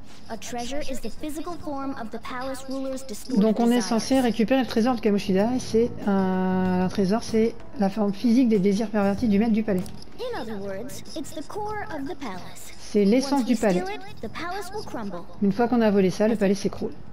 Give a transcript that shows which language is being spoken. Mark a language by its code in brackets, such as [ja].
[en] A treasure is the physical form of the palace ruler's distorted. [fr] Donc on est censé récupérer le trésor de Kamoshida et c'est un trésor, c'est la forme physique des désirs pervertis du maître du palais. [en] In other words, it's the core of the palace. [fr] C'est l'essence du palais. [en] The palace will crumble. [fr] Une fois qu'on a volé ça, le palais s'écroule.